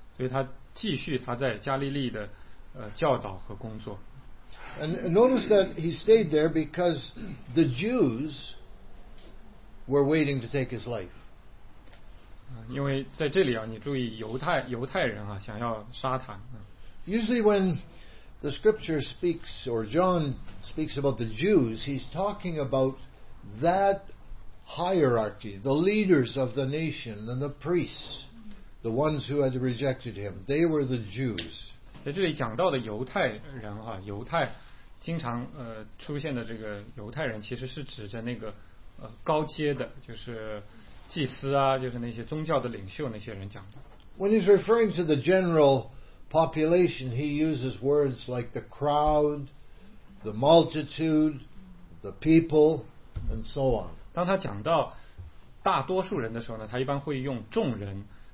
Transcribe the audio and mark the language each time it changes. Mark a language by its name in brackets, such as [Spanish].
[Chinese] 所以他继续他在加利利的教导和工作。 [English] And notice that he stayed there because the Jews were waiting to take his life. [Chinese] 因为在这里啊，你注意犹太人啊，想要杀他。 [English] Usually when the scripture speaks or John speaks about the Jews, he's talking about that hierarchy, the leaders of the nation and the priests. The ones who had rejected him, they were the Jews. [Chinese] 在这里讲到的犹太人哈，犹太经常出现的这个犹太人，其实是指着那个高阶的，就是祭司啊，就是那些宗教的领袖那些人讲的。 [English] When he's referring to the general population, he uses words like the crowd, the multitude, the people, and so on. [Chinese] 当他讲到大多数人的时候呢，他一般会用众人。